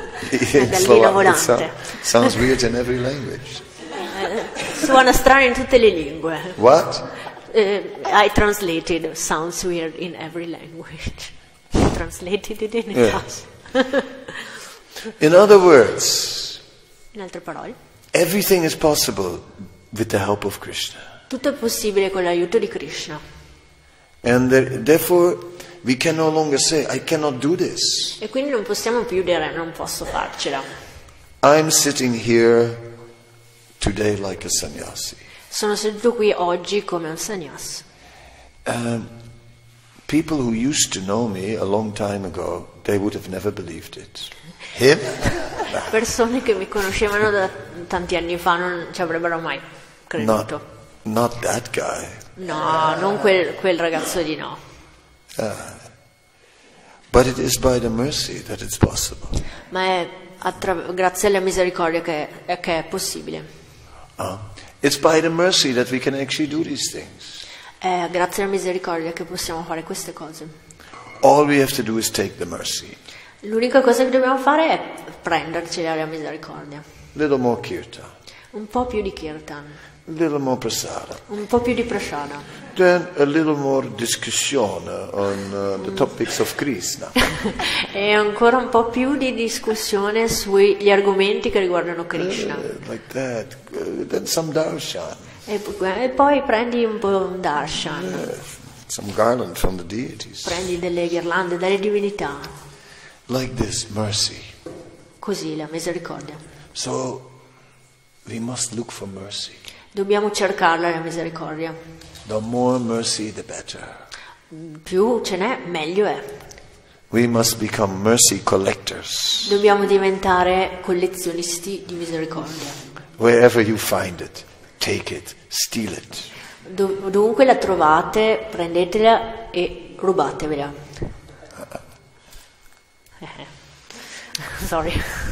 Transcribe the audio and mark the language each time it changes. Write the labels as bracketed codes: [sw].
[it] Gallina volante. [en] Sounds weird in every language. [it] Suona strano in tutte le lingue. [en] What? I translated sounds weird in every language. Translated it in English. In other words. [it] In altre parole. [en] Everything is possible with the help of Krishna. [it] Tutto è possibile con l'aiuto di Krishna. [en] And therefore we can no longer say I cannot do this. [it] E quindi non possiamo più dire non posso farcela. [en] I'm sitting here today like a sannyasi. [it] Sono seduto qui oggi come un sannyasi. [en] People who used to know me a long time ago, they would have never believed it. Him? [it] Persone che mi conoscevano da tanti anni fa non ci avrebbero mai creduto. [en] Not that guy. [it] No, non quel ragazzo di no. [en] But it is by the mercy that it's possible. [it] Ma è grazie alla misericordia che è possibile. [en] It's by the mercy that we can actually do these things. [it] È grazie alla misericordia che possiamo fare queste cose. [en] All we have to do is take the mercy. [it] L'unica cosa che dobbiamo fare è prenderci la misericordia. [en] Little more kirtan. [it] Un po' più di kirtan. [en] Little more prasada. [it] Un po' più di prasada. [en] Then a little more discussion on the topics of Krishna. [it] E ancora un po' più di discussione sugli argomenti che riguardano Krishna. [en] Like that. Then some darshan. [it] E poi prendi un po' un darshan. [en] Some garland from the deities. [it] Prendi delle ghirlande dalle divinità. [en] Like this, mercy. [it] Così la misericordia. [en] So we must look for mercy. [it] Dobbiamo cercarla la misericordia. [en] The more mercy, the better. [it] Più ce n'è, meglio è. [en] We must become mercy collectors. [it] Dobbiamo diventare collezionisti di misericordia. [en] Wherever you find it, take it, steal it. [it] Dunque la trovate, prendetela e rubatevela. [en] Sorry.